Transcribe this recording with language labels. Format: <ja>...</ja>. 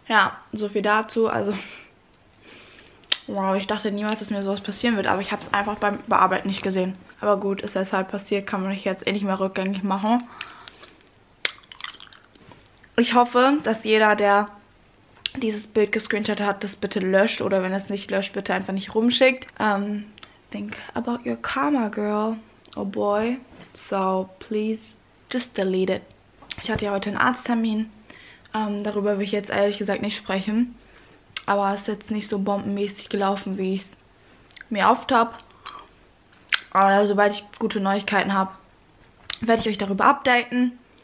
<de>Ja, so viel dazu. Also, wow, ich dachte niemals, dass mir sowas passieren wird. Aber ich habe es einfach beim Bearbeiten nicht gesehen. Aber gut, ist jetzt halt passiert. Kann man mich jetzt eh nicht mehr rückgängig machen. Ich hoffe, dass jeder, der dieses Bild gescreenshot hat, das bitte löscht. Oder wenn es nicht löscht, bitte einfach nicht rumschickt.</de> <en>Think about your karma, girl. Oh boy. So, please, just delete it.</en> <de>Ich hatte ja heute einen Arzttermin. Darüber will ich jetzt ehrlich gesagt nicht sprechen. Aber es ist jetzt nicht so bombenmäßig gelaufen, wie ich es mir erhofft habe. Aber sobald ich gute Neuigkeiten habe, werde ich euch darüber updaten.</de>